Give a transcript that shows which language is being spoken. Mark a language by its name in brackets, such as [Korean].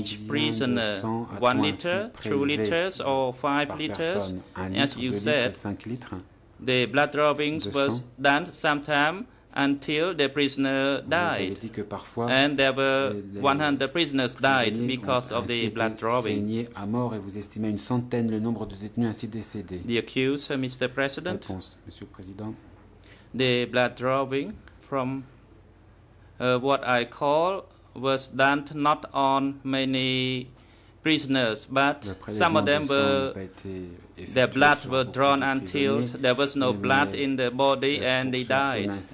[English] each prisoner? 1 liter, 2 liters, or 5 liters? As you said, the blood drawing was done sometime until the prisoner died, [French] dit que parfois, [English] and there were 100 prisoners died because of the blood drawing. [French] À mort et vous estimez une centaine le nombre de détenus ainsi décédés. [English] The accused, Mr. President, [French] réponse, Monsieur le Président. [English] The blood drawing from what I call was done not on many prisoners, but some of them were. Their blood were drawn until there was no blood in the body and they died.